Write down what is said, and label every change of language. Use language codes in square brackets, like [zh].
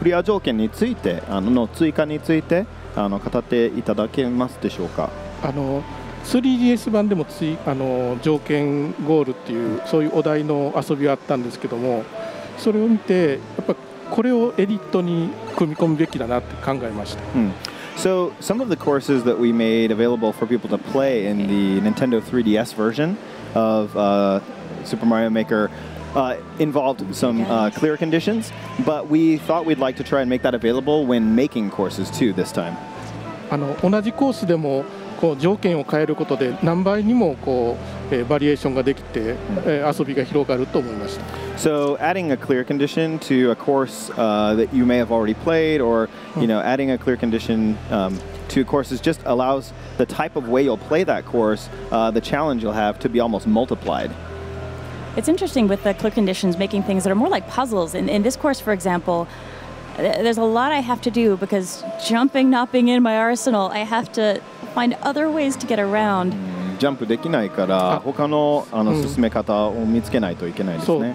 [ja] まあ、今回ちょっと難しいこととして、クリア条件のあるコースをチャレンジしてるんですけれども、今回はジャンプできない地面から離れられないコースになってるんですけれども、そのクリア条件について、の追加について、語っていただけますでしょうか。3DSバンでも条件ゴールっていうそういうお題の遊びはあったんですけども、それを見てやっぱこれをエディットに組み込むべきだなって考えました。 [en] So some of the courses that we made available for people to play in the Nintendo 3DS version of Super Mario Maker involved some clear conditions, but we thought we'd like to try and make that available when making courses too this time. [ja] 同じコースでも条件を変えることで何倍にもバリエーションができて遊びが広がると思いました。 [en] So adding a clear condition to a course that you may have already played, or you know, adding a clear condition to courses just allows the type of way you'll play that course, the challenge you'll have to be almost multiplied. It's interesting with the clear conditions, making things that are more like puzzles. In this course, for example, there's a lot I have to do because jumping not being in my arsenal, I have to find other ways to get around. [ja] Jump できないから他の進め方を見つけないといけないですね。